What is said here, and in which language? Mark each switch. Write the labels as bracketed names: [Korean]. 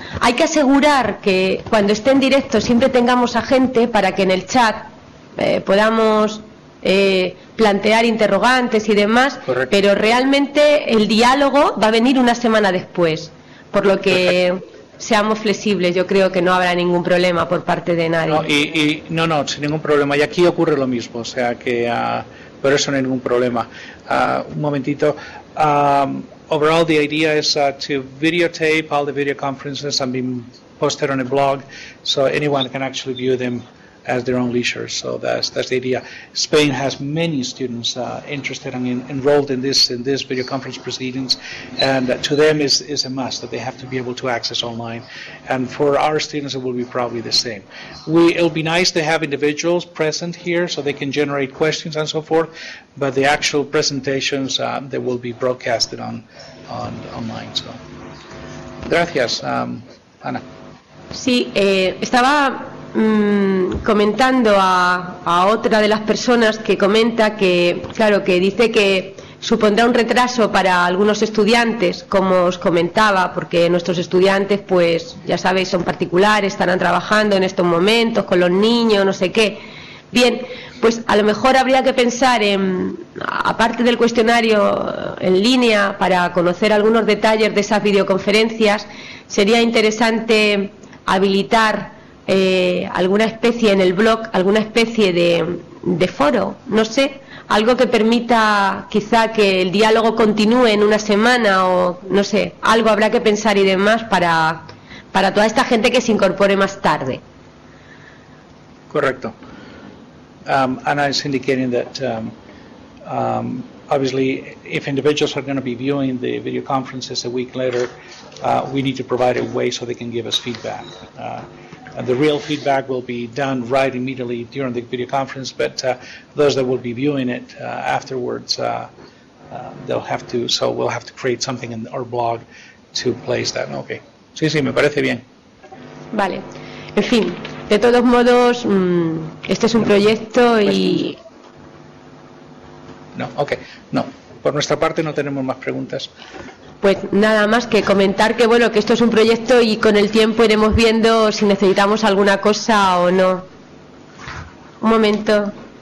[Spanish] Hay que asegurar que cuando esté en directo siempre tengamos a gente para que en el chat podamos plantear interrogantes y demás, correcto, pero realmente el diálogo va a venir una semana después, por lo que... Perfecto. Seamos flexibles, yo creo que no habrá ningún problema por parte de nadie. No, sin ningún problema. Y aquí ocurre lo mismo, o sea que, pero eso no hay ningún problema. Un momentito. [English] Overall, the idea is to videotape all the video conferences and be posted on a blog, so anyone can actually view them as their own leisure. So that's the idea. Spain has many students interested and enrolled in this video conference proceedings, and to them is a must that they have to be able to access online. And for our students, it will be probably the same. It'll be nice to have individuals present here so they can generate questions and so forth, but the actual presentations that will be broadcasted on online. So, [Spanish] gracias, [English] Ana. [Spanish] Sí, estaba comentando a otra de las personas que comenta que, claro, que dice que supondrá un retraso para algunos estudiantes, como os comentaba, porque nuestros estudiantes, pues ya sabéis, son particulares, estarán trabajando en estos momentos con los niños, no sé qué. Bien, pues a lo mejor habría que pensar en, aparte del cuestionario en línea, para conocer algunos detalles de esas videoconferencias, sería interesante habilitar alguna especie en el blog, alguna especie de foro, no sé, algo que permita quizá que el diálogo continúe en una semana o no sé, algo habrá que pensar y demás para toda esta gente que se incorpore más tarde. Correcto. [English] Ana is indicating that obviously if individuals are going to be viewing the video conferences a week later, we need to provide a way so they can give us feedback. And the real feedback will be done right immediately during the video conference, but those that will be viewing it afterwards, they'll have to, so we'll have to create something in our blog to place that. [Spanish] Okay. Sí, sí, me parece bien. Vale. En fin, de todos modos, este es un proyecto y... No, okay. No. Por nuestra parte no tenemos más preguntas. Pues nada más que comentar que bueno, que esto es un proyecto y con el tiempo iremos viendo si necesitamos alguna cosa o no. Un momento.